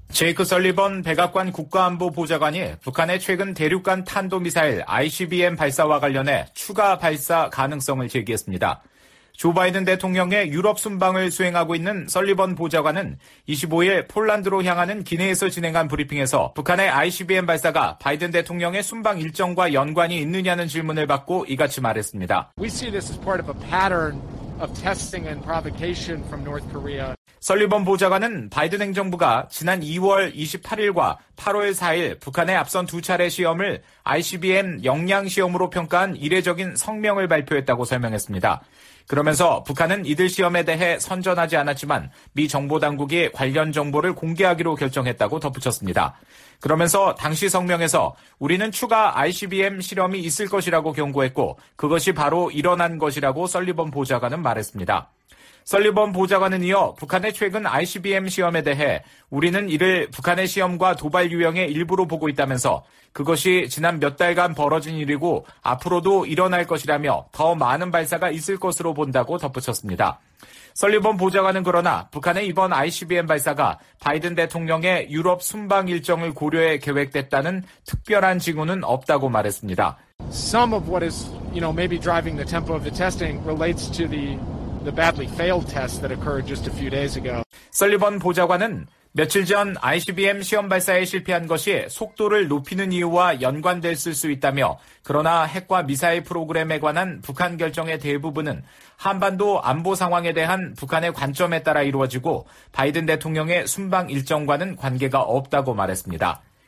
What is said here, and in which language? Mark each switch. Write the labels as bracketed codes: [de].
[ko] 제이크 설리번 백악관 국가안보보좌관이 북한의 최근 대륙간 탄도미사일 ICBM 발사와 관련해 추가 발사 가능성을 제기했습니다. 조 바이든 대통령의 유럽 순방을 수행하고 있는 설리번 보좌관은 25일 폴란드로 향하는 기내에서 진행한 브리핑에서 북한의 ICBM 발사가 바이든 대통령의 순방 일정과 연관이 있느냐는 질문을 받고 이같이 말했습니다. [en] We see this as part of a pattern of testing and provocation from North Korea. [ko] 설리번 보좌관은 바이든 행정부가 지난 2월 28일과 8월 4일 북한의 앞선 두 차례 시험을 ICBM 역량 시험으로 평가한 이례적인 성명을 발표했다고 설명했습니다. 그러면서 북한은 이들 시험에 대해 선전하지 않았지만 미 정보당국이 관련 정보를 공개하기로 결정했다고 덧붙였습니다. 그러면서 당시 성명에서 우리는 추가 ICBM 실험이 있을 것이라고 경고했고 그것이 바로 일어난 것이라고 설리번 보좌관은 말했습니다. 설리번 보좌관은 이어 북한의 최근 ICBM 시험에 대해 우리는 이를 북한의 시험과 도발 유형의 일부로 보고 있다면서 그것이 지난 몇 달간 벌어진 일이고 앞으로도 일어날 것이라며 더 많은 발사가 있을 것으로 본다고 덧붙였습니다. 설리번 보좌관은 그러나 북한의 이번 ICBM 발사가 바이든 대통령의 유럽 순방 일정을 고려해 계획됐다는 특별한 징후는 없다고 말했습니다. [en] Some of what is, you know, maybe driving the tempo of the testing relates to the badly failed test that occurred just a few days ago. [ko] 설리번 보좌관은 며칠 전 ICBM 시험 발사에 실패한 것이 속도를 높이는 이유와 연관될 수 있다며 그러나 핵과 미사일 프로그램에 관한 북한 결정의 대부분은 한반도 안보 상황에 대한 북한의 관점에 따라 이루어지고 바이든 대통령의 순방 일정과는 관계가 없다고 말했습니다.